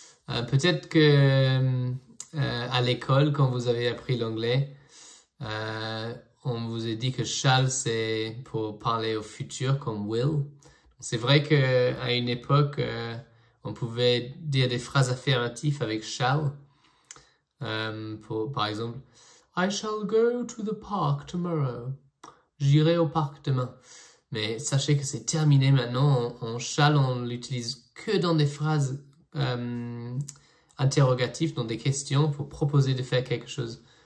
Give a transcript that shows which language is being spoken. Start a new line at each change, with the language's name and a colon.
French: Peut-être que à l'école, quand vous avez appris l'anglais, on vous a dit que shall, c'est pour parler au futur, comme will. C'est vrai qu'à une époque, on pouvait dire des phrases affirmatives avec shall.
English: Par exemple, I shall go to the park tomorrow.
French: J'irai au parc demain. Mais sachez que c'est terminé maintenant. En shall, on l'utilise que dans des phrases interrogatives, dans des questions, pour proposer de faire quelque chose.